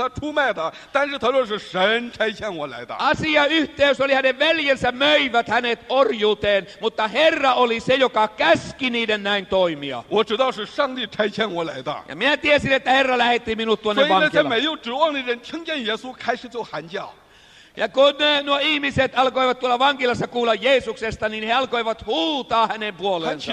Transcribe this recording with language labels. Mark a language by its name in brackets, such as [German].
[Chinese] 明明是他弟兄给他出卖的，但是他说是神差遣我来的。 [Finnish] Asiayhteys oli hänen veljensä möivät hänet orjuuteen, mutta Herra oli se, joka käski niiden näin toimia. [Chinese] 我知道是上帝差遣我来的。 [Finnish] Ja minä tiesin, että Herra lähetti minut tuonne vankilaan. [Chinese] 所以那些没有指望的人听见耶稣开始就喊叫。 [Finnish] Ja kun nuo ihmiset alkoivat tuolla vankilassa kuulla Jeesuksesta, niin he alkoivat huutaa hänen puoleensa.